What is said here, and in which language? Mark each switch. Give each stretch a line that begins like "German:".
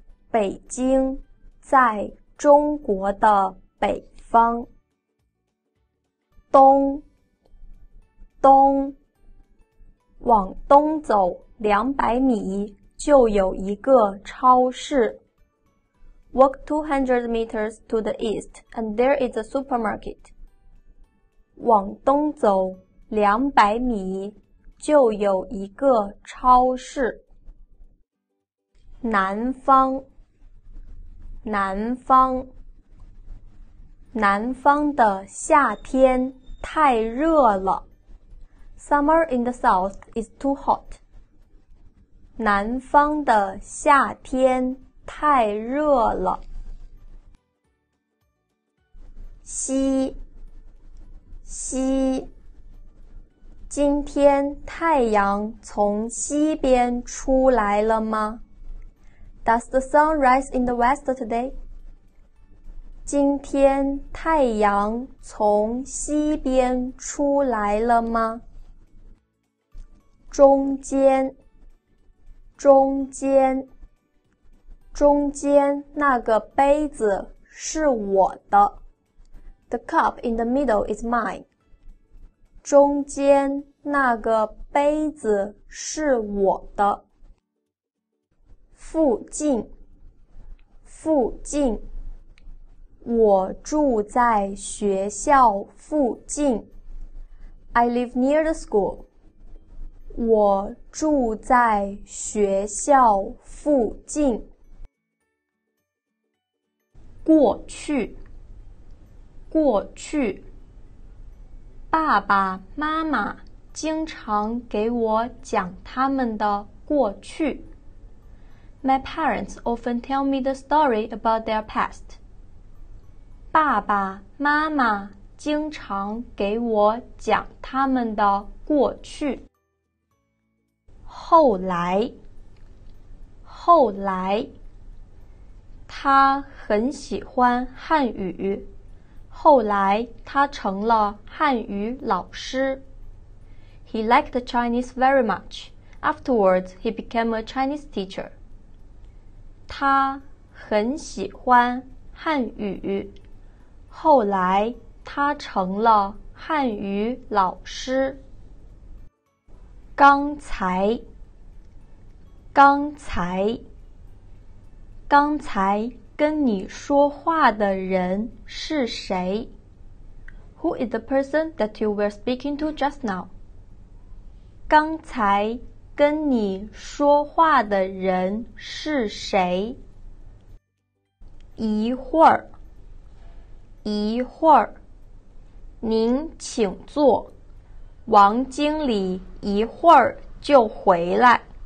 Chinese: 北京在中国的北方。东，东。往东走200米就有一个超市。
English: Walk 200 meters to the east and there is a supermarket.
Chinese: 往东走200米就有一个超市。南方，南方。南方的夏天太热了。
English: Summer in the south is too hot.
Chinese: 南方的夏天太热了。西，西。今天太阳从西边出来了吗？
English: Does the sun rise in the west today?
Chinese: 今天太阳从西边出来了吗？中间，中间，中间那个杯子是我的。
English: The cup in the middle is mine.
Chinese: 中间那个杯子是我的。附近，附近。我住在学校附近。
English: I live near the school.
Chinese: 我住在学校附近。过去，过去。爸爸妈妈经常给我讲他们的过去。
English: My parents often tell me the story about their past.
Chinese: 爸爸妈妈经常给我讲他们的过去。后来，后来，他很喜欢汉语，后来他成了汉语老师。
English: He liked Chinese very much. Afterwards, he became a Chinese teacher.
Chinese: 他很喜欢汉语，后来他成了汉语老师。刚才，刚才，刚才跟你说话的人是谁？
English: Who is the person that you were speaking to just now?
Chinese: 刚才跟你说话的人是谁？一会儿，一会儿，您请坐，王经理一会儿就回来。